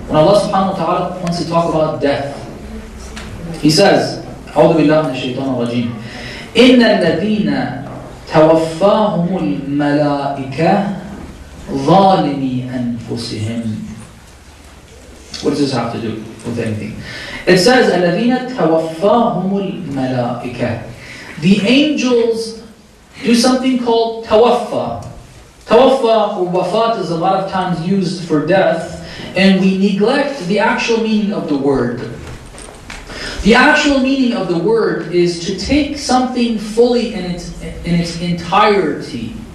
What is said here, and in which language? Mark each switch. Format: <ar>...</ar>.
<en>When Allah subhanahu wa ta'ala wants to talk about death, He says,</en> <ar>أعوذ بالله من الشيطان الرجيم إن الذين توفاهم الملائكة ظالمي أنفسهم.</ar> <en>What does this have to do with anything? It says,</en> <ar>الذين توفاهم الملائكة.</ar> <en>The angels do something called tawaffa. Tawaffa or wafat is a lot of times used for death, and we neglect the actual meaning of the word. The actual meaning of the word is to take something fully in its entirety.</en>